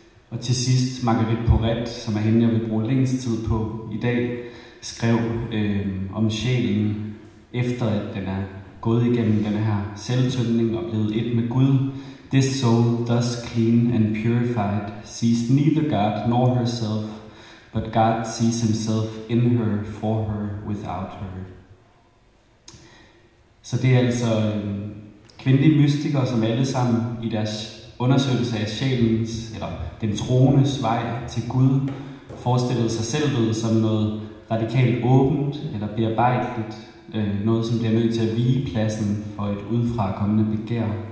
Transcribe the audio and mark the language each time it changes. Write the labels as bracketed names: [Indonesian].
[Danish] Og til sidst, Marguerite Porret, som er hende, jeg vil bruge længst tid på i dag, skrev om sjælen, efter at den er gået igennem den her selvtømning og blevet et med Gud. [English] This soul, thus clean and purified, sees neither God nor herself, but God sees himself in her, for her, without her. [Danish] Så det er altså kvindelige mystikere, som alle sammen i deres undersøgelse af sjælens, eller den troendes vej til Gud, forestillede sig selvet som noget radikalt åbent eller bearbejdet, noget som bliver nødt til at vige pladsen for et udfrakommende begær.